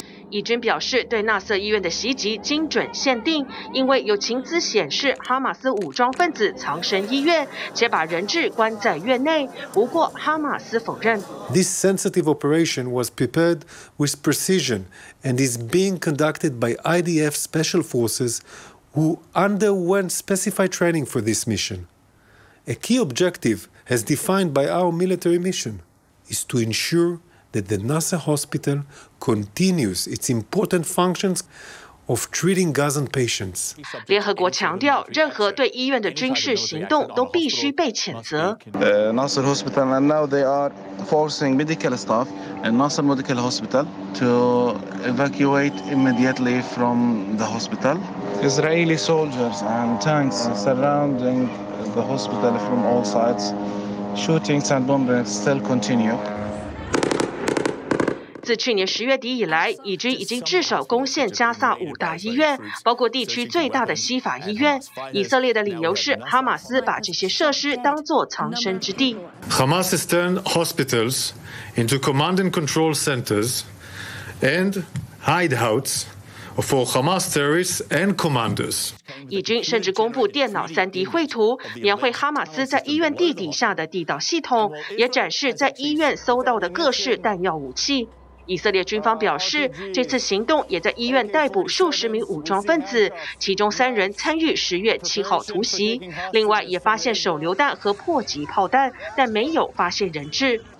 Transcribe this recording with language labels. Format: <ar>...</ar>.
<zh>以军表示对纳瑟医院的袭击精准限定，因为有情资显示哈马斯武装分子藏身医院，且把人质关在院内。不过哈马斯否认。</zh> <en>This sensitive operation was prepared with precision and is being conducted by IDF special forces who underwent specified training for this mission. A key objective as defined by our military mission is to ensure that the Nasa hospital continues its important functions of treating Gazan patients.</en> <zh>联合国强调，任何对医院的军事行动都必须被谴责。</zh> <en>Nasser hospital and now they are forcing medical staff and Nasser medical hospital to evacuate immediately from the hospital. Israeli soldiers and tanks surrounding the hospital from all sides. Shootings and bombings still continue.</en> <zh>自去年十月底以来，以军已经至少攻陷加萨五大医院，包括地区最大的西法医院。以色列的理由是，哈马斯把这些设施当作藏身之地。</zh> <en>Hamas has turned hospitals into command and control centers and hideouts. For Hamas terrorists and commanders,</en> <zh>以军甚至公布电脑 3D 绘图，描绘哈马斯在医院地底下的地道系统，也展示在医院搜到的各式弹药武器。以色列军方表示，这次行动也在医院逮捕数十名武装分子，其中三人参与十月七号突袭，另外也发现手榴弹和迫击炮弹，但没有发现人质。</zh>